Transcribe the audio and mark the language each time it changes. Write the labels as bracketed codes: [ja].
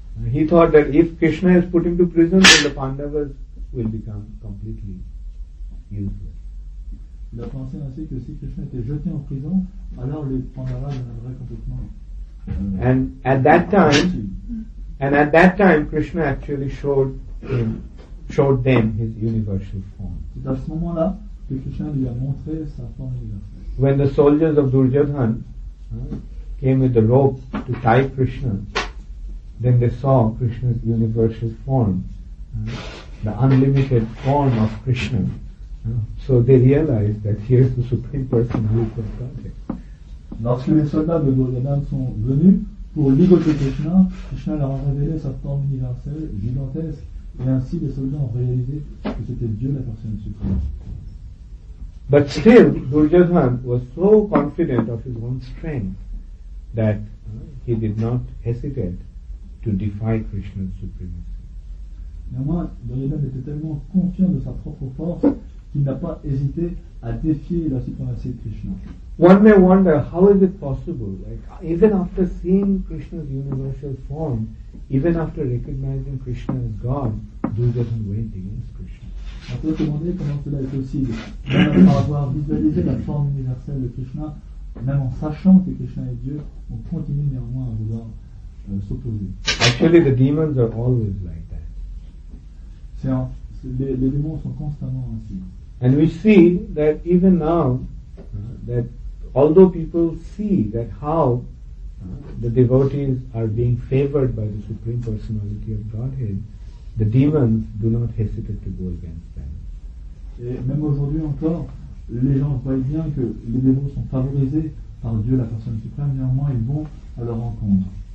[en] He thought that if Krishna is put into prison, then the Pandavas will become completely useless. [fr] Il a pensé ainsi que si Krishna était jeté en prison, alors les Pandavas deviendraient complètement. [en] And at that time, Krishna actually showed them his universal form. [fr] C'est à ce moment-là que Krishna lui a montré sa forme universelle. [en] When the soldiers of Duryodhan came with the rope to tie Krishna. Then they saw Krishna's universal form, the unlimited form of Krishna. So they realized that here is the Supreme Personality of Godhead. [fr] Lorsque les soldats de Duryodhan sont venus pour ligoter Krishna, Krishna leur a révélé sa forme universelle gigantesque, et ainsi les soldats ont réalisé que c'était Dieu la personne suprême. [en] But still, Duryodhan was so confident of his own strength that he did not hesitate to defy Krishna's supremacy. [fr] Néanmoins, Duryodhan était tellement confiant de sa propre force qu'il n'a pas hésité à défier la suprématie de Krishna. [en] One may wonder, how is it possible? Like, even after seeing Krishna's universal form, even after recognizing Krishna as God, Duryodhan went against Krishna. [fr] On peut se demander comment cela est possible. Même après avoir visualisé la forme universelle de Krishna, même en sachant que Krishna est Dieu, on continue néanmoins à vouloir. [en] Actually, the demons are always like that. [fr] Les démons sont constamment ainsi. [en] And we see that even now, that although people see that how the devotees are being favored by the Supreme Personality of Godhead, the demons do not hesitate to go against them. [fr] Et même aujourd'hui encore, les gens voient bien que les démons sont favorisés par Dieu, la Personne Suprême, néanmoins ils vont à leur rencontre.